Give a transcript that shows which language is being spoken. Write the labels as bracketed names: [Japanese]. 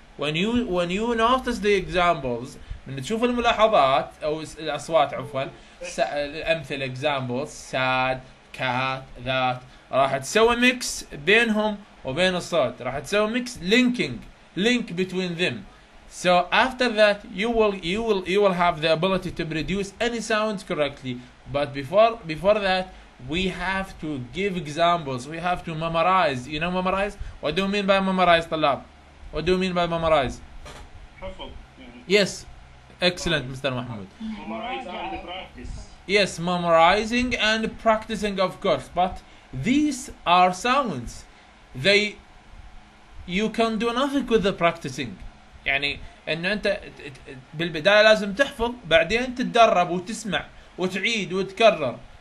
[English] When you notice the examples, [Arabic] من تشوف الملاحظات أو الأصوات عفوا, الأمثلة [English] examples, sad, cat, that, [Arabic] راح تسوي [English] mix [Arabic] بينهم وبين الصوت, راح تسوي [English] mix link between them. So after that you will have the ability to produce any sounds correctly. But before that, we have to give examples. We have to memorize. You know memorize? What do you mean by memorize, طلاب? What do you mean by memorize? [Arabic] حفظ. [English] Yes. Excellent, Mr. Mahmoud. Memorize and practice. Yes, memorizing and practicing, of course. But these are sounds. You can do nothing with the practicing. [Arabic] يعني أنه أنت بالبداية لازم تحفظ, بعدين تتدرب وتسمع وتعيد وتكرر.